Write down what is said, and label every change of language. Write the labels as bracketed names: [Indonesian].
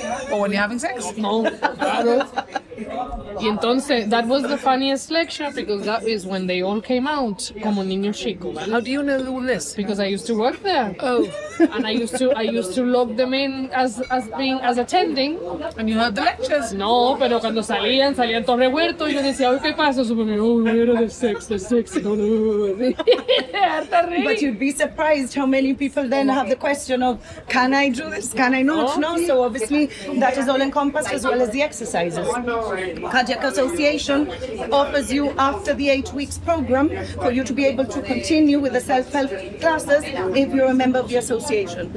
[English] Or when you're having sex? No. Y entonces, that was the funniest lecture, because that is when they all came out como niño chico. How do you know all this? Because I used to work there. Oh. And I used to log them in as attending. And you had the lectures. [Spanish] No, pero cuando salían todo revuelto, y yo decía, oh, ¿qué pasa? [English] The sex. But you'd be surprised how many people then have the question of, can I do this? Can I not? No. So obviously, that is all encompassed as well as the exercises. Cardiac Association offers you, after the 8 weeks program, for you to be able to continue with the self-help classes if you're a member of the association.